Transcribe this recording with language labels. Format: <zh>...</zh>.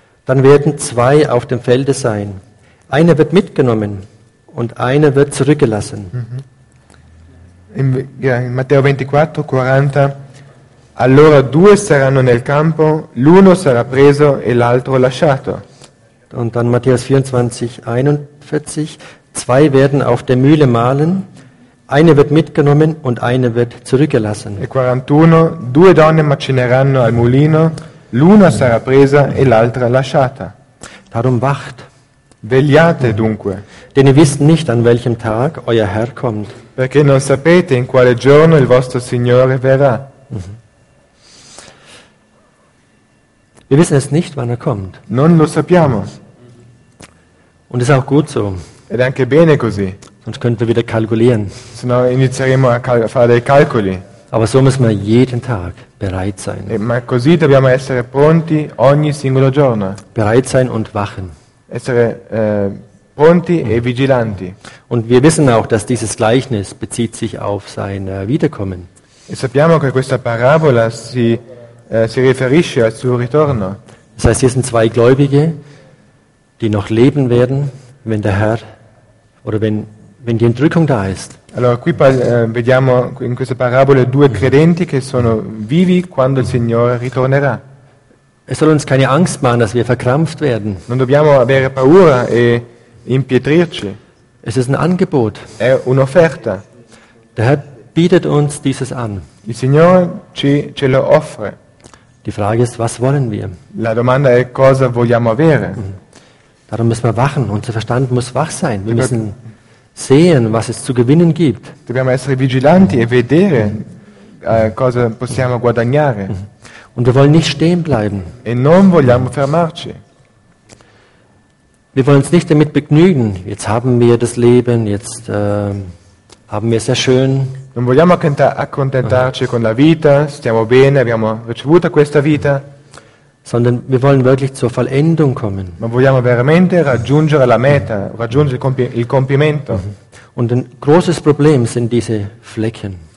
<de>Dann werden zwei auf dem Felde sein. Einer wird mitgenommen und einer wird zurückgelassen.</de> <it>In Matteo 24, 40. Allora due saranno nel campo, l'uno sarà preso e l'altro lasciato.</it> <de>Und dann Matthäus 24, 41. Zwei werden auf der Mühle mahlen. Eine wird mitgenommen und eine wird zurückgelassen.</de> <it>E 41, due donne macineranno al mulino, l'una sarà presa e l'altra lasciata.</it> <de>Darum wacht.</de> <it>Vegliate dunque.</it> <de>Denn ihr wisst nicht, an welchem Tag euer Herr kommt.</de> <it>Perché non sapete in quale giorno il vostro Signore verrà.</it> <de>Wir wissen es nicht, wann er kommt.</de> <it>Non lo sappiamo.</it> <de>Und es ist auch gut so.</de> <it>Ed è anche bene così.</it> <de>Sonst könnten wir wieder kalkulieren.</de> <it>Sennò inizieremo a fare dei calcoli.</it> <de>Aber so müssen wir jeden Tag bereit sein.</de> <it>Ma così dobbiamo essere pronti ogni singolo giorno.</it> <de>Bereit sein und wachen.</de> <it>Essere pronti e vigilanti.</it> <de>Und wir wissen auch, dass dieses Gleichnis bezieht sich auf sein Wiederkommen.</de> <it>E sappiamo che questa parabola si riferisce al suo ritorno.</it> <de>Das heißt, hier sind zwei Gläubige, die noch leben werden, wenn der Herr oder wenn die Entrückung da ist.</de> <it>Allora qui vediamo in queste parabole due credenti che sono vivi quando il Signore ritornerà.</it> <de>Es soll uns keine Angst machen, dass wir verkrampft werden.</de> <it>Non dobbiamo avere paura e impietrirci.</it> <de>Es ist ein Angebot.</de> <it>È un'offerta.</it> <de>Der Herr bietet uns dieses an.</de> <it>Il Signore ce lo offre.</it> <de>Die Frage ist, was wollen wir?</de> <it>La domanda è cosa vogliamo avere.</it> <de>Darum müssen wir wachen. Unser Verstand muss wach sein. Wir müssen sehen, was es zu gewinnen gibt.</de> <it>Dobbiamo essere vigilanti e vedere cosa possiamo guadagnare.</it> <de>Und wir wollen nicht stehen bleiben.</de> <it>E non vogliamo fermarci.</it> <de>Wir wollen uns nicht damit begnügen. Jetzt haben wir das Leben, jetzt haben wir es sehr schön.</de> <it>Non vogliamo accontentarci con la vita, stiamo bene, abbiamo ricevuto questa vita.</it> <de>Sondern wir wollen wirklich zur Vollendung kommen.</de> <it>Ma vogliamo veramente raggiungere la meta, raggiungere il compimento.</it> <de>Und ein großes Problem sind diese Flecken.</de>